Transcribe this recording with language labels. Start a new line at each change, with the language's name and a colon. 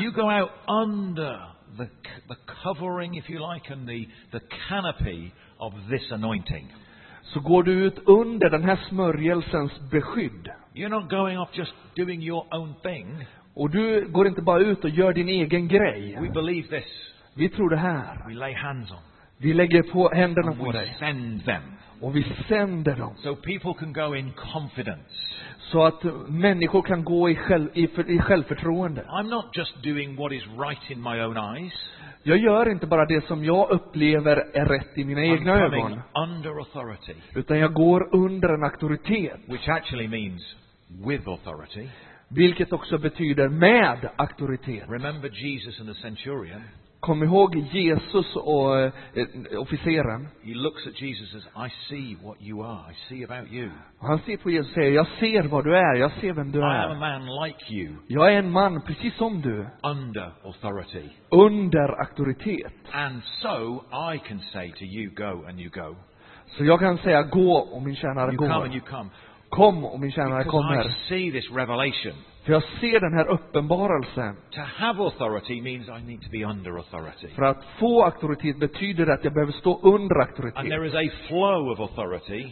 English: You go out under the covering, if you like, and the canopy of this anointing.
Swedish: Så går du ut under den här smörjelsens beskydd.
English: You're not going off just doing your own thing.
Swedish: Och du går inte bara ut och gör din egen grej.
English: We believe this.
Swedish: Vi tror det här.
English: We lay hands on.
Swedish: Vi lägger på händerna
English: and
Swedish: på
English: we
Swedish: dig.
English: Send them.
Swedish: Och vi sänder dem.
English: So people can go in confidence.
Swedish: Så att människor kan gå i självförtroende.
English: I'm not just doing what is right in my own eyes.
Swedish: Jag gör inte bara det som jag upplever är rätt i mina egna ögon.
English: Under authority.
Swedish: Utan jag går under en auktoritet.
English: Which actually means with authority.
Swedish: Vilket också betyder med auktoritet.
English: Remember Jesus and the centurion.
Swedish: Kom ihåg Jesus och officeren.
English: He looks at Jesus as I see what you are. I see about you.
Swedish: Han ser på Jesus och säger, jag ser vad du är. Jag ser vem du
English: I
Swedish: är.
English: I am a man like you.
Swedish: Jag är en man precis som du.
English: Under authority.
Swedish: Under auktoritet.
English: And so I can say to you, go and you go.
Swedish: Så jag kan säga gå och min tjänare går.
English: You come and you come.
Swedish: Kom och min tjänare kommer.
English: I see this revelation.
Swedish: För jag ser den här uppenbarelsen.
English: To have authority means I need to be under authority.
Swedish: För att få auktoritet betyder att jag behöver stå under auktoritet.
English: And there is a flow of authority.